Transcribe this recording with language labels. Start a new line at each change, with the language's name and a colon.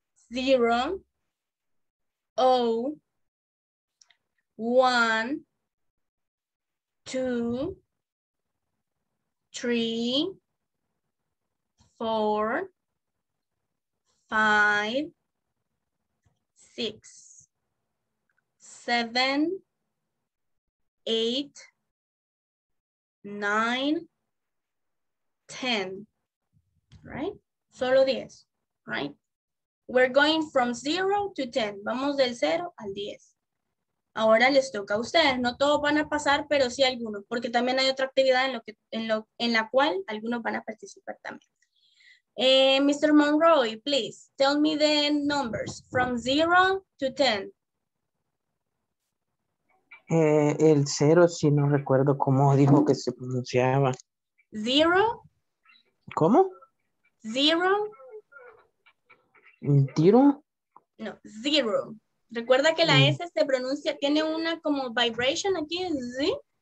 English: Zero, O, one, two, three, four, five, six, seven, eight, nine, ten. Right? Solo 10, right? We're going from 0 to 10.
Spanish: Vamos del 0 al 10. Ahora les toca a ustedes. No todos van a pasar, pero sí algunos, porque también hay otra actividad en la cual algunos van a participar también.
English: Mr. Monroe, please tell me the numbers from 0 to 10.
Spanish: El 0, si no recuerdo cómo dijo que se pronunciaba.
English: 0.
Spanish: ¿Cómo?
English: Zero.
Spanish: ¿Tiro?
English: No, zero.
Spanish: Recuerda que la S se pronuncia, tiene una como vibration aquí, ¿sí?